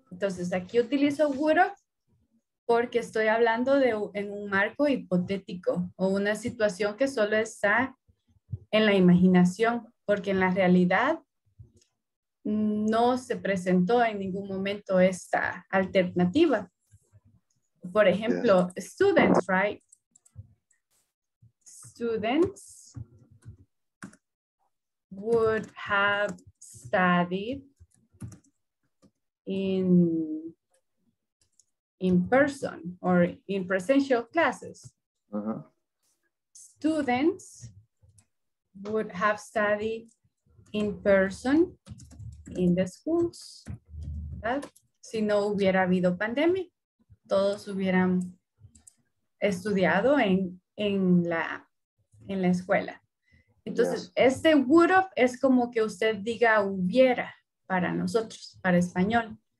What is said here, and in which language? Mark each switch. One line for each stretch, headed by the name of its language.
Spanish: Entonces aquí utilizo would have porque estoy hablando de en un marco hipotético o una situación que solo está en la imaginación, porque en la realidad no se presentó en ningún momento esta alternativa. Por ejemplo,
English: yeah. Students, right? Students would have studied in person or in presential classes. Uh-huh. Students would have studied in person in the schools.
Spanish: ¿Verdad? Si no hubiera habido pandemia, todos hubieran estudiado en la escuela. Entonces, yes. Este would have es como que usted diga hubiera para nosotros, para español.